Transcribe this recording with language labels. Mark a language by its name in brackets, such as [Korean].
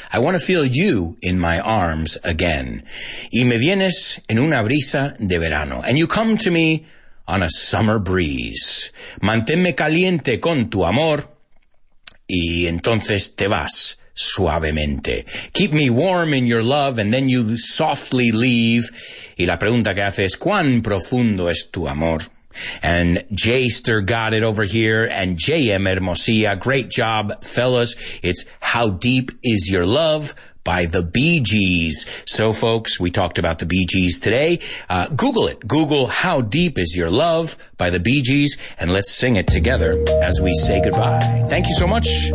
[English] I want to feel you in my arms again. [Spanish] Y me vienes en una brisa de verano. [English] And you come to me on a summer breeze. [Spanish] Manténme caliente con tu amor. Y entonces te vas suavemente. [English] Keep me warm in your love and then you softly leave. [Spanish] Y la pregunta que hace es, ¿cuán profundo es tu amor? [English] And Jayster got it over here, and J.M. Hermosilla, great job, fellas. It's How Deep Is Your Love by the Bee Gees. So, folks, we talked about the Bee Gees today. Google it. Google How Deep Is Your Love by the Bee Gees, and let's sing it together as we say goodbye. Thank you so much.